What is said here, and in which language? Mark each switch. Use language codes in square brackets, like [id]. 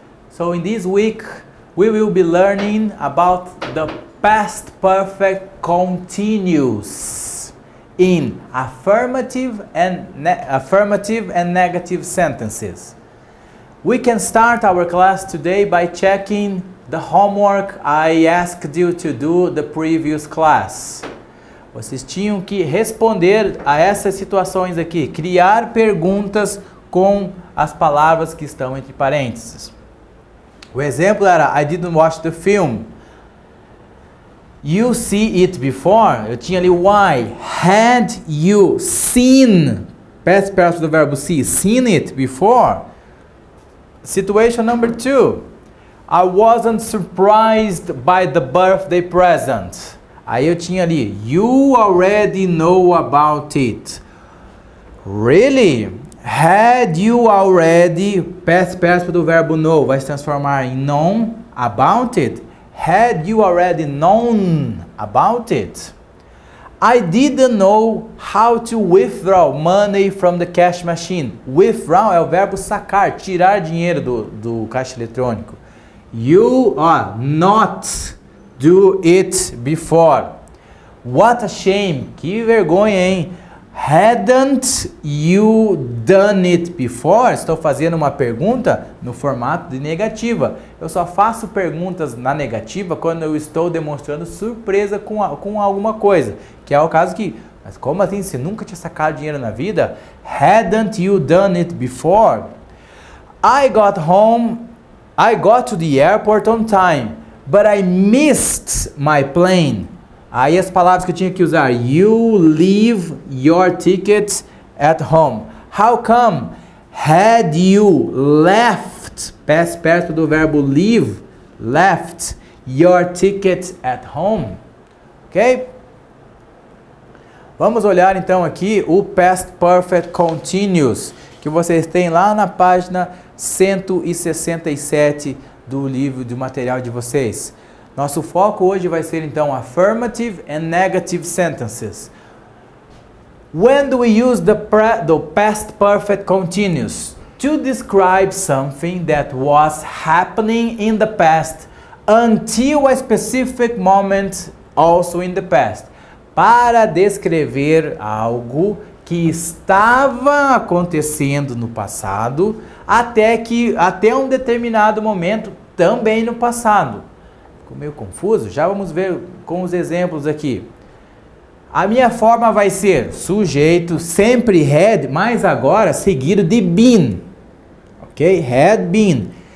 [en] So in this week, we will be learning about the past perfect continuous in affirmative and negative sentences. We can start our class today by checking the homework I asked you to do the previous class. [pt] Vocês tinham que responder a essas situações aqui, criar perguntas com as palavras que estão entre parênteses. O exemplo era, [en] I didn't watch the film. You see it before? [pt] Eu tinha ali, [en] why? Had you seen? Past perfect [pt] do verbo [en] see, seen it before? Situation number two. I wasn't surprised by the birthday present. [pt] Aí eu tinha ali, [en] you already know about it. Really? Had you already, past perfect [pt] do verbo [en] know, [pt] vai se transformar em [en] known about it. Had you already known about it? I didn't know how to withdraw money from the cash machine. [pt] Withdraw é o verbo sacar, tirar dinheiro do caixa eletrônico. [en] You are not do it before. What a shame, [pt] que vergonha, hein? [en] Hadn't you done it before? [pt] Estou fazendo uma pergunta no formato de negativa. Eu só faço perguntas na negativa quando eu estou demonstrando surpresa com alguma coisa. Que é o caso que, mas como assim, você nunca tinha sacado dinheiro na vida? [en] Hadn't you done it before? I got to the airport on time, but I missed my plane. [pt] Aí as palavras que eu tinha que usar, [en] you leave your ticket at home. How come? Had you left, past perfect [pt] do verbo [en] leave, left your ticket at home? Ok? [pt] Vamos olhar então aqui o past perfect continuous, que vocês têm lá na página 167 do livro de material de vocês. Nosso foco hoje vai ser, então, [en] affirmative and negative sentences. When do we use the past perfect continuous? To describe something that was happening in the past until a specific moment also in the past. [pt] Para descrever algo que estava acontecendo no passado até um determinado momento também no passado. Meio confuso, já vamos ver com os exemplos aqui. A minha forma vai ser sujeito, sempre had, mas agora seguido de been. Ok? Had been.